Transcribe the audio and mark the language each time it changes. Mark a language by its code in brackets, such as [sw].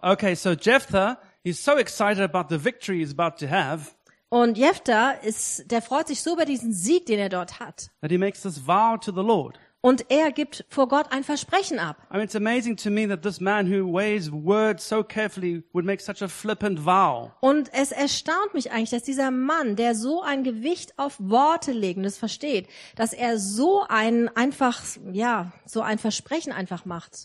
[en] Okay, so Jephthah, he's so excited about the victory he's about to have. [de] Und Jephthah der freut sich so über diesen Sieg, den er dort hat. [en] That he makes this vow to the Lord. [de] Und er gibt vor Gott ein Versprechen ab. [en] I mean, it's amazing to me that this man who weighs words so carefully would make such a flippant vow. [de] Und es erstaunt mich eigentlich, dass dieser Mann, der so ein Gewicht auf Worte legendes versteht, dass er so ein Versprechen einfach macht.